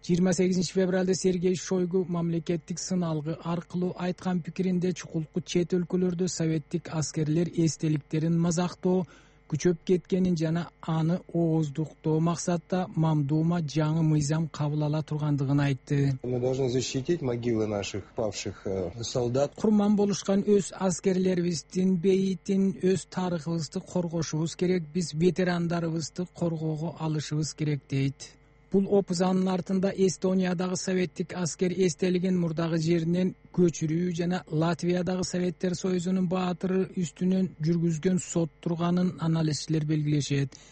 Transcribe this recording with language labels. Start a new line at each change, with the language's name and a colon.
Kyrgyz: 28 февралда Сергей Шойгу мамлекеттик сыналгы аркылуу айткан пикиринде чукулку чет өлкөлөрдө советтик аскерлер эстеликтерин мазактоо күчөп кеткенин жана аны ооздуктоо максатта мамдуума жаңы мыйзам кабыл ала тургандыгын айтты.
Russian: Мы должны защитить могилы наших павших солдат.
Kyrgyz: Курман болушкан өз аскерлерибиздин бейитин өз тарыхыбызды коргошубуз керек, биз ветерандарыбызды коргоого алышыбыз керек дейт. Бул опузанын артында Эстониядагы советтик аскер эстелигин мурдагы жеринен көчүрүү жана Латвиядагы советтер союзунун баатыры үстүнөн жүргүзгөн сот турганын аналитиктер белгилешет.